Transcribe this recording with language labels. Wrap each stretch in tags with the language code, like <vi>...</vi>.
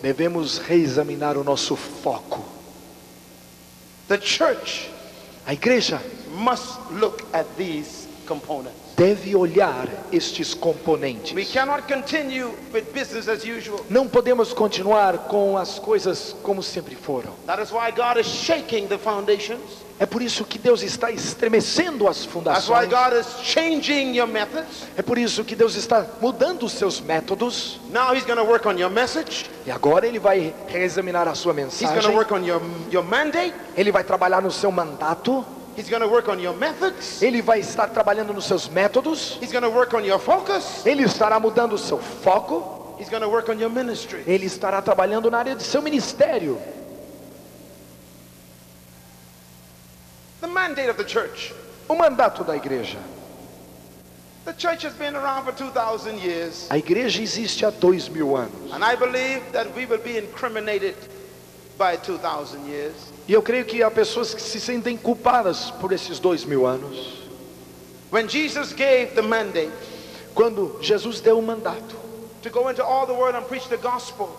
<pt>Devemos reexaminar o nosso foco.</pt> <en>The church,</en> <pt>a igreja,</pt> <en>must look at these components.</en> <pt>Deve olhar estes componentes.</pt> <en>We cannot continue with business as usual.</en> <pt>Não podemos continuar com as coisas como sempre foram.</pt> <en>That is why God is shaking the foundations.</en> <pt>É por isso que Deus está estremecendo as fundações.</pt> <en>That's why God is changing your methods.</en> <pt>É por isso que Deus está mudando os seus métodos.</pt> <en>Now he's gonna work on your message.</en> <pt>E agora Ele vai reexaminar a sua mensagem.</pt> <en>He's gonna work on your mandate.</en> <pt>Ele vai trabalhar no seu mandato.</pt> <en>He's going to work on your methods.</en> <pt>Ele vai estar trabalhando nos seus métodos.</pt> <en>He's going to work on your focus.</en> <pt>Ele estará mudando o seu foco.</pt> <en>He's going to work on your ministry.</en> <pt>Ele estará trabalhando na área de seu ministério.</pt> <en>The mandate of the church.</en> <pt>O mandato da igreja.</pt> <en>The church has been around for 2,000 years.</en> <pt>A igreja existe há 2,000 anos.</pt> <en>And I believe that we will be incriminated by 2,000 years.</en> <pt>E eu creio que há pessoas que se sentem culpadas por esses 2,000 anos.</pt> <en>When Jesus gave the mandate,</en> <pt>quando Jesus deu o mandato,</pt> <en>to go into all the world and preach the gospel,</en>